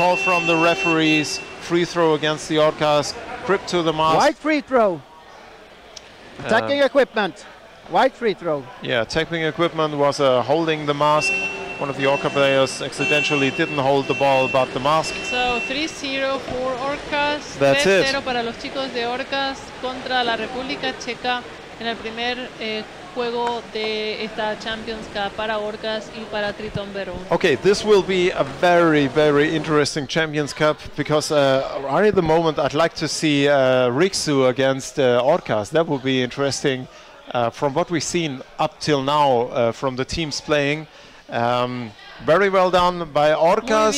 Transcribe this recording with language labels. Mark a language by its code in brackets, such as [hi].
[en] Call from the referees, free throw against the Orcas. Grip to the mask. White free throw. Attacking equipment. White free throw. Yeah, attacking equipment was holding the mask. One of the Orca players accidentally didn't hold the ball, but the mask. So 3-0 for Orcas. That's 3-0 it. [es] 3-0 para los chicos de Orcas contra la República Checa en el primer juego de esta Champions Cup para Orcas y para Triton Beroun. [en] Okay, this will be a very, very interesting Champions Cup, because right at the moment I'd like to see Rixu against Orcas. That would be interesting from what we've seen up till now from the teams playing. Very well done by Orcas.